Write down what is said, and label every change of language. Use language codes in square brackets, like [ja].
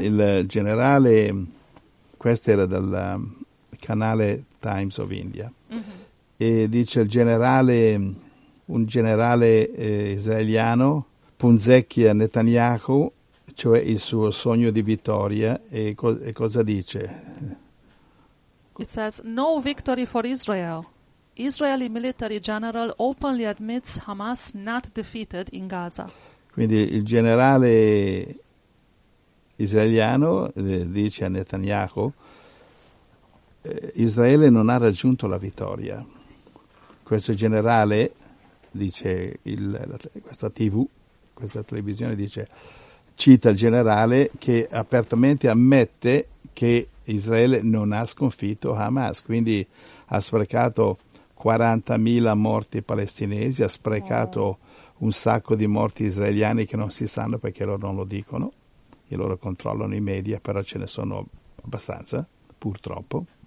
[it] Il generale, questo era dal canale Times of India, e dice il generale, un generale israeliano punzecchia Netanyahu, cioè il suo sogno di vittoria, e cosa dice? [en] It says, no victory for Israel. Israeli military general openly admits Hamas not defeated in Gaza. [it] Quindi il generale israeliano dice a Netanyahu, Israele non ha raggiunto la vittoria. Questo generale, dice questa TV, questa televisione, dice, cita il generale che apertamente ammette che Israele non ha sconfitto Hamas, quindi ha sprecato 40.000 morti palestinesi, ha sprecato un sacco di morti israeliani che non si sanno perché loro non lo dicono, e loro controllano i media, però ce ne sono abbastanza, purtroppo.